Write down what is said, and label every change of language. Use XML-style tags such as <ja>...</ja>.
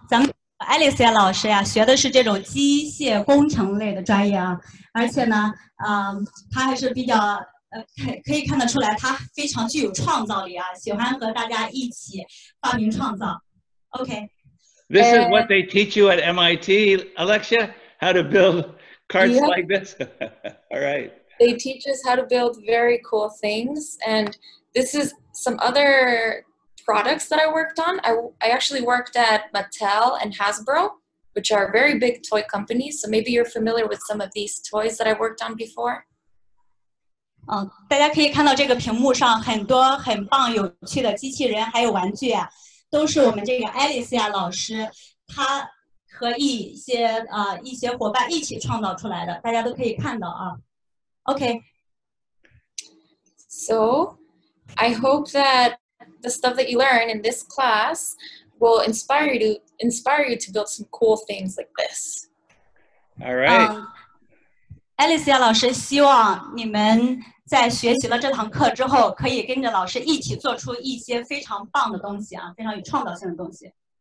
<zh>咱们 Alicia 老师呀，学的是这种机械工程类的专业啊，而且呢，她还是比较可以看得出来，她非常具有创造力啊，喜欢和大家一起发明创造。</zh> <en>Okay. This is what they teach you at MIT, Alexia? How to build carts yep. like this. All right. They teach us how to build very cool things. And this is some other products that I worked on. I actually worked at Mattel and Hasbro, which are very big toy companies. So maybe you're familiar with some of these toys that I worked on before.</en> <zh>大家可以看到这个屏幕上很多很棒有趣的机器人还有玩具啊，都是我们这个 Alicia 老师她和一些伙伴一起创造出来的，大家都可以看到啊。</zh> <en>Okay. So, I hope that the stuff that you learn in this class will inspire you to build some cool things like this. All right.</en> <zh>Alicia 老师希望你们在学习了这堂课之后，可以跟着老师一起做出一些非常棒的东西啊，非常有创造性的东西。</zh>